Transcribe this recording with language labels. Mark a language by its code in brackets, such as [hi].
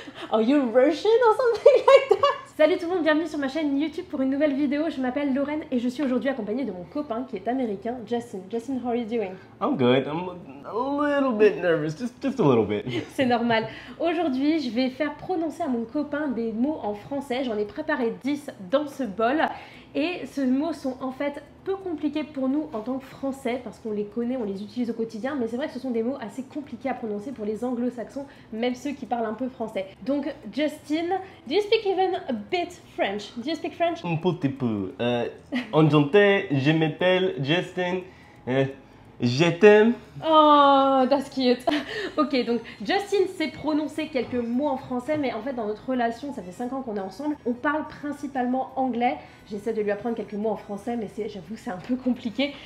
[en] Are you Russian or something like that? [fr] Salut tout le monde, bienvenue sur ma chaîne YouTube pour une nouvelle vidéo. Je m'appelle Lorraine et je suis aujourd'hui accompagnée de mon copain qui est américain, Justin. [en] Justin, how are you doing? I'm good. I'm a little bit nervous, just a little bit. [fr] C'est normal. Aujourd'hui, je vais faire prononcer à mon copain des mots en français. J'en ai préparé 10 dans ce bol. Et ces mots sont en fait peu compliqués pour nous en tant que français parce qu'on les connaît, on les utilise au quotidien, mais c'est vrai que ce sont des mots assez compliqués à prononcer pour les anglo-saxons, même ceux qui parlent un peu français. [en] Donc Justin, do you speak even a bit French? Do you speak French? [fr] Un petit peu. Enchanté, je m'appelle Justin. Je t'aime. [en] Oh, that's cute. [fr] Ok, donc Justin sait prononcer quelques mots en français, mais en fait dans notre relation, ça fait 5 ans qu'on est ensemble, on parle principalement anglais. J'essaie de lui apprendre quelques mots en français, mais j'avoue que c'est un peu compliqué.